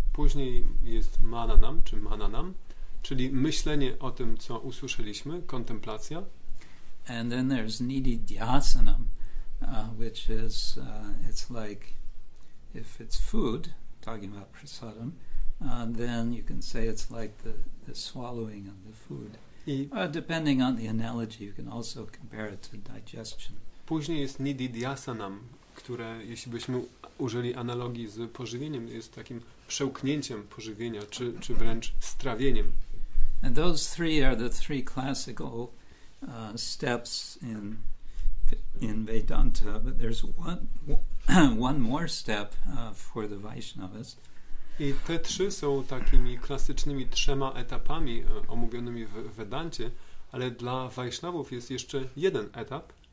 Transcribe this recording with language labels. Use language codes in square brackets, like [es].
[pl] Później jest mananam czy mananam, czyli myślenie o tym, co usłyszeliśmy, kontemplacja. [en] And then there's nididhyasanam, which is it's like if it's food, talking about prasadam, then you can say it's like the swallowing of the food. Depending on the analogy, you can also compare it to digestion. [pl] Później jest nididhyasanam, które, jeśli byśmy użyli analogii z pożywieniem, jest takim przełknięciem pożywienia, czy wręcz strawieniem. [en] And those three are the three classical steps in Vedanta, but there's one more step for the Vaishnavas. [pl] I te trzy są takimi klasycznymi trzema etapami omówionymi w Vedancie, ale dla Vaishnavów jest jeszcze jeden etap.